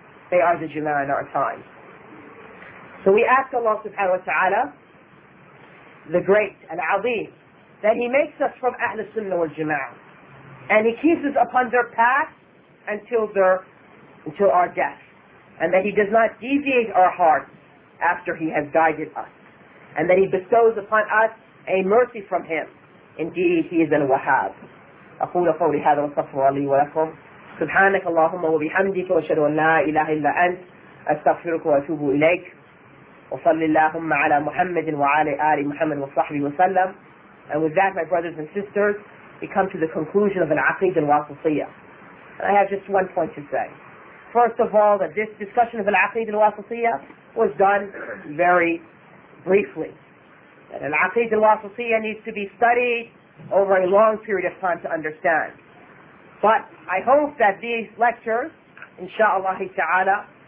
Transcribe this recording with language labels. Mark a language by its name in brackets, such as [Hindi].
[English] They are the Jama'ah in our time. So we ask Allah subhanahu wa ta'ala, the great, al-Azim, that he makes us from Ahl al-Sunnah wal-Jama'ah, and he keeps us upon their path until our death, and that he does not deviate our hearts after he has guided us, and that he bestows upon us a mercy from him. Indeed, he is al-Wahhab. [Arabic] أقول قولي هذا واستغفر لي ولكم. سبحانك اللهم وبحمدك واشهد أن لا إله إلا أنت أستغفرك وأتوب إليك. وصل اللهم على محمد وعلى آل محمد وصحبه وسلم. [English] And with that, my brothers and sisters, we come to the conclusion of al-Aqid al-Wasitiyah. And I have just one point to say. First of all, that this discussion of al-Aqid al-Wasitiyah was done very briefly. That al-Aqid al-Wasitiyah needs to be studied over a long period of time to understand. But I hope that these lectures, inshallah ta'ala,